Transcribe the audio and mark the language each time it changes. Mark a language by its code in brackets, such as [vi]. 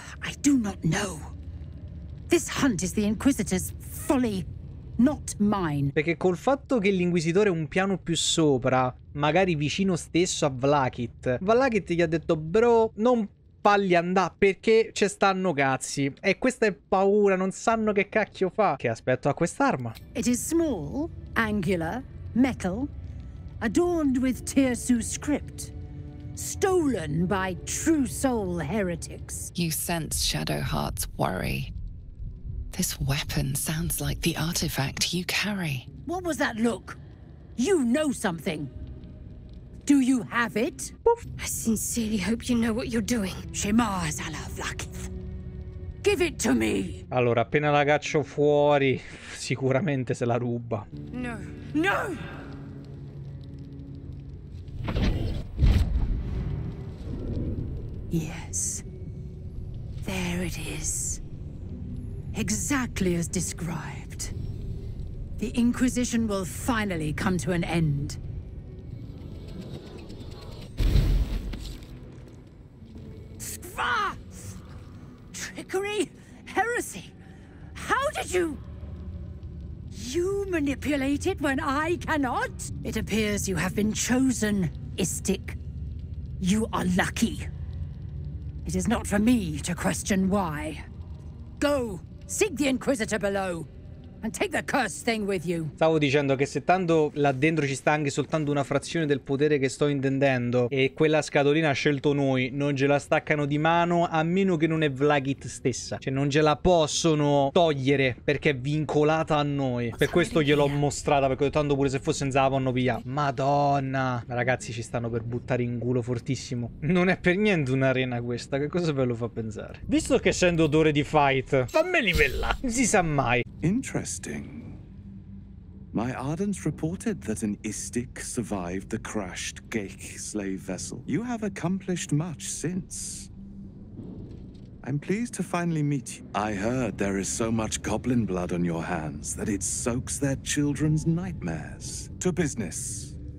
[en] I do not know. This hunt is the Inquisitor's folly. Not mine. [it] Perché col fatto che l'inquisitore è un piano più sopra, magari vicino stesso a Vlakit, Vlakit gli ha detto: bro, non falli andare perché ci stanno cazzi. E questa è paura, non sanno che cacchio fa. Che aspetto a quest'arma? [en] It is small, angular, metal, adorned with Tirsu script. Stolen by true soul heretics. You sense Shadowheart's worry. This weapon sounds like the artifact you carry. What was that look? You know something. Do you have it? Oof. I sincerely hope you know what you're doing. Shemar Zala Vlakith. Give it to me! [it] Allora, appena la caccio fuori, sicuramente se la ruba. [en] No. No! Yes. There it is. Exactly as described. The Inquisition will finally come to an end. Skva! Trickery? Heresy? How did you... You manipulate it when I cannot? It appears you have been chosen, Istik. You are lucky. It is not for me to question why. Go! Seek the Inquisitor below and take the cursed thing with you. [it] Stavo dicendo che se tanto là dentro ci sta anche soltanto una frazione del potere che sto intendendo e quella scatolina ha scelto noi, non ce la staccano di mano a meno che non è Vlakith stessa. Cioè non ce la possono togliere perché è vincolata a noi. Per questo gliel'ho mostrata, perché tanto pure se fosse in Zavanno via. Madonna, ragazzi, ci stanno per buttare in culo fortissimo. Non è per niente un'arena questa, che cosa ve lo fa pensare? Visto che essendo odore di fight, fammi livellare. Non si sa mai. [en] Interesting. My Ardens reported that an Istik survived the crashed Geek slave vessel. You have accomplished much since. I'm pleased to finally meet you. I heard there is so much goblin blood on your hands that it soaks their children's nightmares. To business.